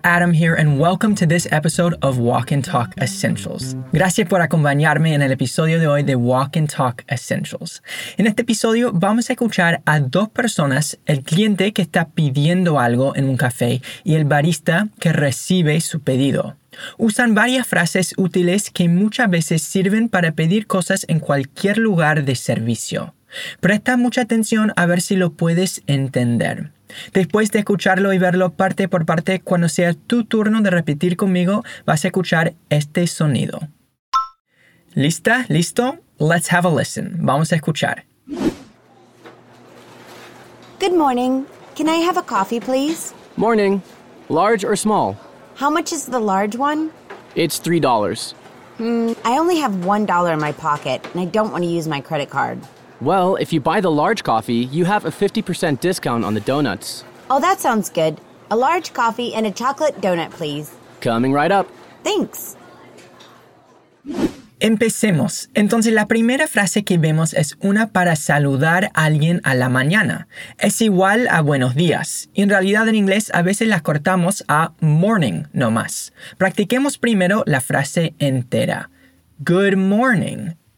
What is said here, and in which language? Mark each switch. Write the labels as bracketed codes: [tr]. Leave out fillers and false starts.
[en] Adam here, and welcome to this episode of Walk and Talk Essentials. [es] Gracias por acompañarme en el episodio de hoy de Walk and Talk Essentials. En este episodio vamos a escuchar a dos personas, el cliente que está pidiendo algo en un café y el barista que recibe su pedido. Usan varias frases útiles que muchas veces sirven para pedir cosas en cualquier lugar de servicio. Presta mucha atención a ver si lo puedes entender. Después de escucharlo y verlo parte por parte, cuando sea tu turno de repetir conmigo, vas a escuchar este sonido. ¿Lista? ¿Listo? [en] Let's have a listen. [es] Vamos a escuchar. [en] Good morning. Can I have a coffee, please? Morning. Large or small? How much is the large one? It's $3. I only have $1 in my pocket, and I don't want to use my credit card. Well, if you buy the large coffee, you have a 50% discount on the donuts. Oh, that sounds good. A large coffee and a chocolate donut, please. Coming right up. Thanks. [es] Empecemos. Entonces, la primera frase que vemos es una para saludar a alguien a la mañana. Es igual a buenos días. Y en realidad, en inglés, a veces las cortamos a [en] morning, [es] no más. Practiquemos primero la frase entera. [en] Good morning.